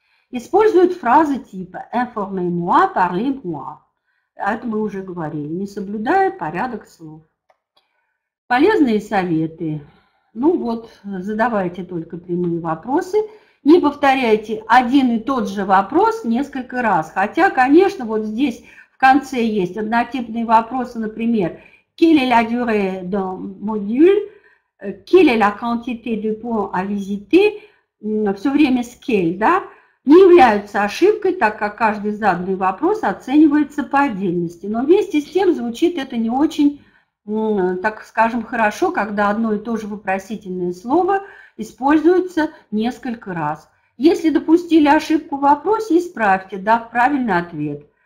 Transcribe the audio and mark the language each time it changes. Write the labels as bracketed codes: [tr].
[ru] Используют фразы типа «informez-moi», «parlez-moi». Это мы уже говорили, не соблюдая порядок слов. Полезные советы. Ну вот, задавайте только прямые вопросы. Не повторяйте один и тот же вопрос несколько раз. Хотя, конечно, вот здесь в конце есть однотипные вопросы, например, [fr] «quelle est la durée de module?», «quelle est la quantité de points à visiter?», [ru] все время [fr] «scale», [ru] да? Не являются ошибкой, так как каждый заданный вопрос оценивается по отдельности. Но вместе с тем звучит это не очень, так скажем, хорошо, когда одно и то же вопросительное слово используется несколько раз. Если допустили ошибку в вопросе, исправьте, дав правильный ответ.